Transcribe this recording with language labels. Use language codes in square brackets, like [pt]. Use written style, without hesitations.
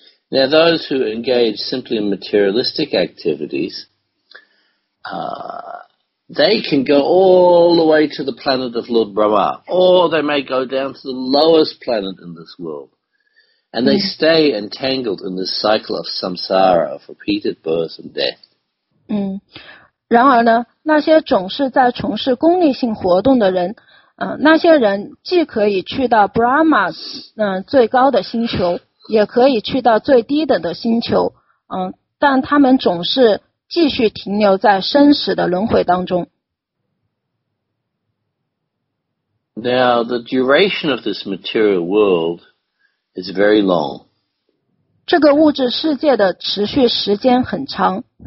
[en] Now those who engage simply in materialistic activities, they can go all the way to the planet of Lord Brahma, or they may go down to the lowest planet in this world, and they stay entangled in this cycle of samsara, of repeated birth and death. [zh] 然而呢，那些总是在从事功利性活动的人，那些人既可以去到 Brahma, 最高的星球，也可以去到最低等的星球，但他们总是继续停留在生死的轮回当中。 [en] Now the duration of this material world is very long. [zh] 这个物质世界的持续时间很长。